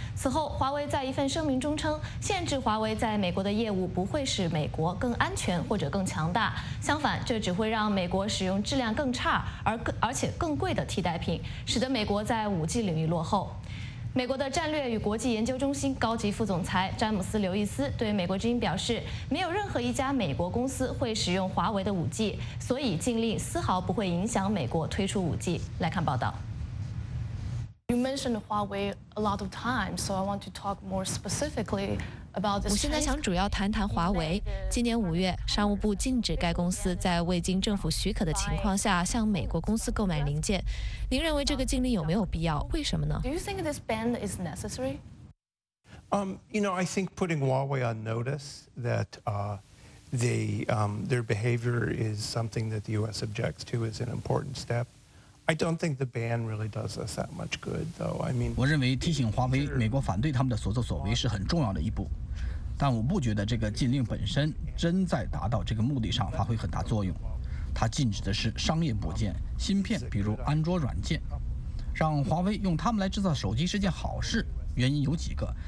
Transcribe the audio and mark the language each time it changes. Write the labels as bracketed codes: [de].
[zh] 此后，华为在一份声明中称，限制华为在美国的业务不会使美国更安全或者更强大，相反，这只会让美国使用质量更差而且更贵的替代品，使得美国在 5G 领域落后。美国的战略与国际研究中心高级副总裁詹姆斯·刘易斯对美国之音表示，没有任何一家美国公司会使用华为的 5G， 所以禁令丝毫不会影响美国推出 5G。来看报道。 [en] You mentioned Huawei a lot of times, so I want to talk more specifically [zh] We 现在想主要谈谈华为。今年五月，商务部禁止该公司在未经政府许可的情况下向美国公司购买零件。您认为这个禁令有没有必要？为什么呢 [en] ？Do you think this ban is necessary? You know, I think putting Huawei on notice that their behavior is something that the U.S. objects to is an important step. I don't think the ban really does us that much good, though. I mean, [zh] 我认为提醒华为美国反对他们的所作所为是很重要的一步，但我不觉得这个禁令本身真在达到这个目的上发挥很大作用。它禁止的是商业部件、芯片，比如安卓软件。让华为用它们来制造手机是件好事，原因有几个。